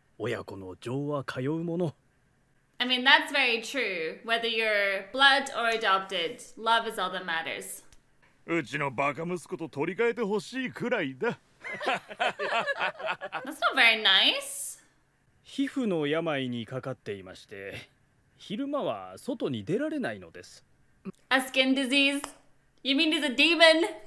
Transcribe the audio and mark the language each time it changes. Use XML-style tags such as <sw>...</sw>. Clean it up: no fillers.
<ja>血のつながりはなくとも、親子の情は通うもの。</ja> <en>I mean, that's very true. Whether you're blood or adopted, love is all that matters.</en> <ja>うちのバカ息子と取り替えてほしいくらいだ。</ja> <en>That's not very nice.</en> <ja>皮膚の病にかかっていまして、昼間は外に出られないのです。</ja> <en>A skin disease? You mean he's a demon?</en>